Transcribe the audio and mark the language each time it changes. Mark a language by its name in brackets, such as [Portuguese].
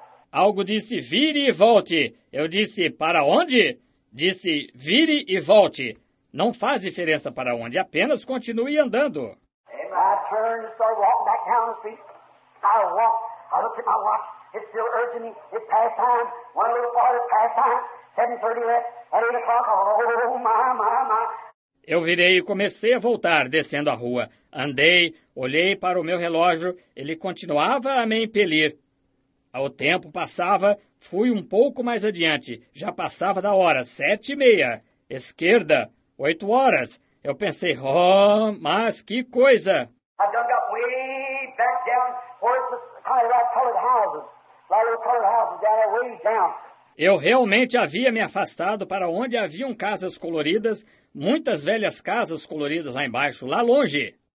[Portuguese] Algo disse, vire e volte. Eu disse, para onde? Disse, vire e volte. Não faz diferença para onde, apenas continue andando. Amen. [English] I turned and started walking back down the street. I walked. I looked at my watch. It's still urging me. It's past time. Went a little farther. Past time. 7:30 left. At 8 o'clock. Oh, my. [Portuguese] Eu virei e comecei a voltar, descendo a rua. Andei, olhei para o meu relógio, ele continuava a me impelir. O tempo passava, fui um pouco mais adiante. Já passava da hora, 7:30. Esquerda, 8:00. Eu pensei, oh, mas que coisa! [English] I dug up way back down towards the kind of colored houses. A lot of colored houses down there, way down. [Portuguese] Eu realmente havia me afastado para onde haviam casas coloridas, muitas velhas casas coloridas lá embaixo, lá longe.